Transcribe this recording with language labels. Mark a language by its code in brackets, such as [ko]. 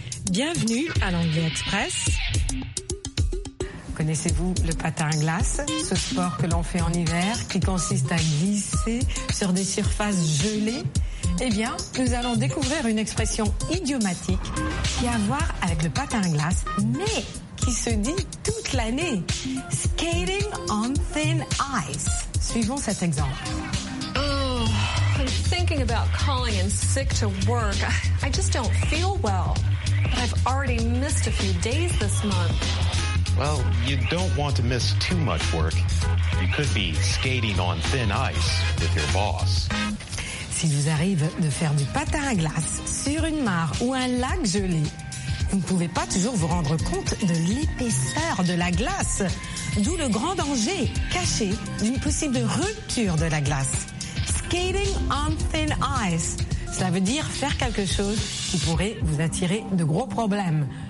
[fr] Bienvenue à l'Anglais Express. Connaissez-vous le patin à glace, ce sport que l'on fait en hiver qui consiste à glisser sur des surfaces gelées? Eh bien, nous allons découvrir une expression idiomatique qui a à voir avec le patin à glace, mais qui se dit toute l'année. [en] Skating on thin ice. [fr] Suivons cet exemple. [en] Oh, I'm thinking about calling in sick to work. I just don't feel well. But I've already missed a few days this month. Well, you don't want to miss too much work. You could be skating on thin ice with your boss. [fr] S'il vous arrive de faire du patin à glace sur une mare ou un lac gelé, vous ne pouvez pas toujours vous rendre compte de l'épaisseur de la glace, d'où le grand danger caché d'une possible rupture de la glace. [en] Skating on thin ice. [fr] Cela veut dire faire quelque chose qui pourrait vous attirer de gros problèmes.